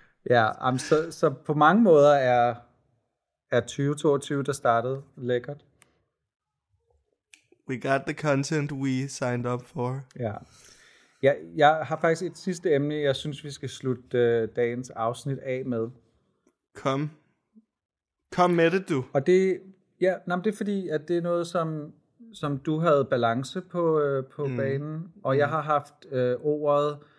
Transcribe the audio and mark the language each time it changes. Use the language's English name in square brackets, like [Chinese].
[Danish] Ja, så på mange måder er 2022, der startede, lækkert. [English] We got the content we signed up for. [Danish] Ja. Ja, jeg har faktisk et sidste emne, jeg synes, vi skal slutte dagens afsnit af med. Kom. Kom med det, du. Og det, ja, nej, det er fordi, at det er noget, som du havde balance på banen, og jeg har haft ordet...